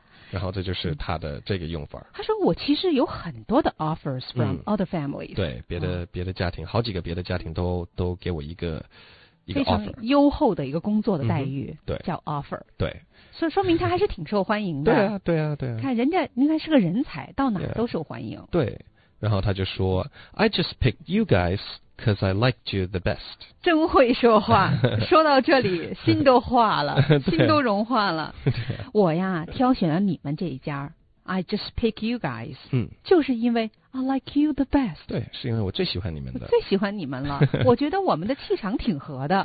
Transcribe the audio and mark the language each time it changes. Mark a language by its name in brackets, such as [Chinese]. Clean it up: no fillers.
[Chinese] 然后这就是他的这个用法。他说我其实有很多的 [English] offers from other families。 [Chinese] 对，别的家庭，好几个别的家庭都给我一个 offer，非常优厚的一个工作的待遇，对，叫 offer。对，所以说明他还是挺受欢迎的。对啊。看人家应该是个人才，到哪都受欢迎。对，然后他就说 [English] ，I just picked you guys because I liked you the best。 [Chinese] 真会说话，说到这里心都化了，心都融化了。对，我呀挑选了你们这一家 ， [English] I just pick you guys。嗯， [Chinese] 就是因为 [English] I like you the best。 [Chinese] 对，是因为我最喜欢你们的。最喜欢你们了，我觉得我们的气场挺合的。